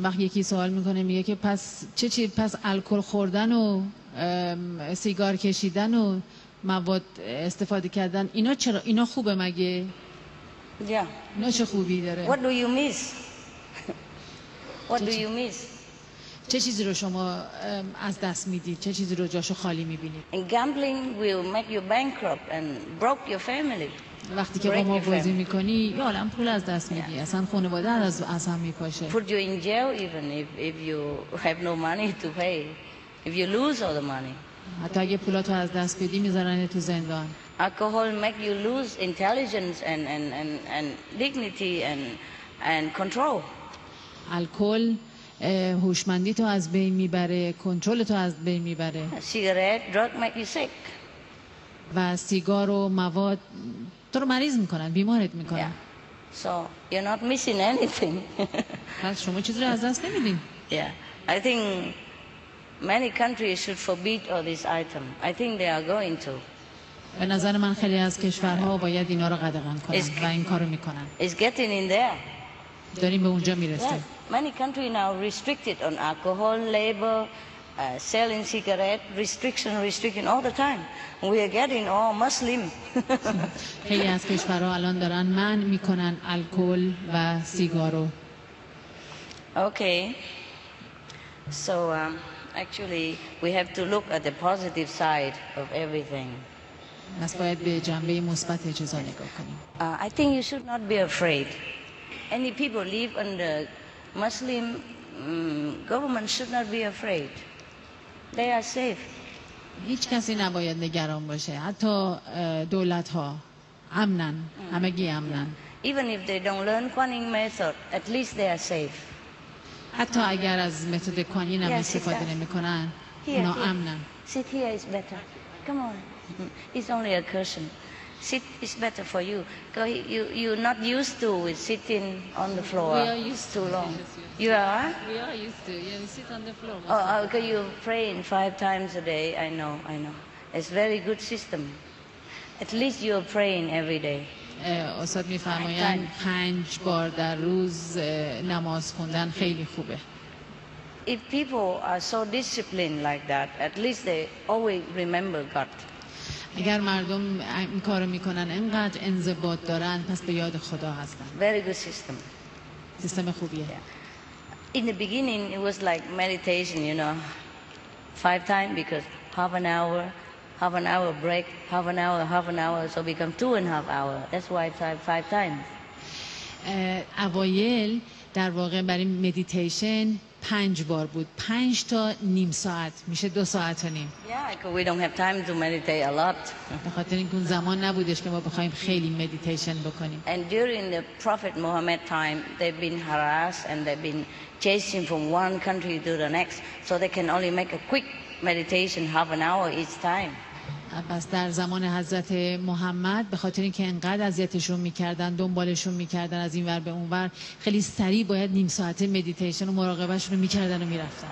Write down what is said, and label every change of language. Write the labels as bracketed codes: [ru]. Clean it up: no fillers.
[fa] وقت یکی سوال میکنه میگه که پس چه پس الکل خوردن و سیگار کشیدن و مواد استفاده کردن اینا چرا، اینا خوبه مگه؟ [en] yeah. [fa] اینا چه خوبی داره؟ [en] What do you miss? What do you miss? [fa] چه چیزی رو شما از دست میدید؟ چه چیزی رو جاشو خالی میبینید؟ [en] And gambling will make you bankrupt and broke your family. [fa] وقتی که با ما بازی میکنی یه عالم پول از دست میدی، اصلا خانواده از هم میپاشه. [en] Put you in jail even if you have no money to pay. If you lose all the money. [fa] حتی اگه پولاتو از دست بدی میذارن تو زندان. [en] Alcohol make you lose intelligence and dignity and control. [fa] الکل هوشمندی تو از بین میبره، کنترل تو از بین میبره. [en] Cigarette drug make you sick. [fa] و سیگار و مواد تو رو مریض میکنن، بیمارت میکنن. [en] Yeah. So you're not missing anything. [fa] پس شما چیزی رو از دست نمیدین. [en] Yeah. I think many countries should forbid all this item. I think they are going to. [fa] به نظر من خیلی از کشورها باید اینا رو قدغن کنن و این کارو میکنن. [en] It's getting in there. [fa] داریم به اونجا میرسیم. [en] Yeah. Many countries now restricted on alcohol, labor, selling cigarette, restriction all the time. We are getting all Muslim. [fa] خیلی از کشورها الان دارن منع میکنن الکل و سیگارو. [en] Okay. So actually we have to look at the positive side of everything. [fa] پس باید به جنبه مثبت چیزا نگاه کنیم. [en] I think you should not be afraid. Any people live under Muslim government should not be afraid. They are safe. [fa] هیچ کسی نباید نگران باشه. حتی دولت ها امنن. همگی امنن. [en] Even if they don't learn Kuan Yin method, at least they are safe. [fa] حتی اگر از متد کوانین هم استفاده نمی کنن اونا امنن. [en] Sit here is better. Come on. It's only a cushion. Sit is better for you. You're not used to with sitting on the floor. We are used too to. Long. Used you to. Are? We are used to. Yeah, we sit on the floor. Oh, okay, you pray in 5 times a day. I know. It's very good system. At least you're praying every day. [fa] استاد میفرمایند 5 بار در روز نماز خوندن خیلی خوبه. [en] If people are so disciplined like that, at least they always remember God. [fa] اگر مردم این کارو میکنن اینقدر انضباط دارن، پس به یاد خدا هستن. [en] Very good system. [fa] سیستم خوبیه. [en] In the beginning it was like meditation, you know. 5 times because half an hour break, half an hour, so become 2.5 hours. That's why five times. [fa] اوایل در واقع برای مدیتیشن پنج بار بود. پنج تا نیم ساعت میشه دو ساعت و نیم. [en] Yeah, we don't have time to meditate a lot. [fa] به خاطر اینکه زمان نبودش که ما بخوایم خیلی مدیتیشن بکنیم. [en] And during the Prophet Muhammad time, they've been harassed and they've been chasing from one country to the next, so they can only make a quick meditation half an hour each time. [fa] پس در زمان حضرت محمد به خاطر اینکه انقدر اذیتشون میکردن دنبالشون میکردن از این ور به اون ور خیلی سریع باید نیم ساعته مدیتیشن و مراقبهشون رو میکردن و میرفتن.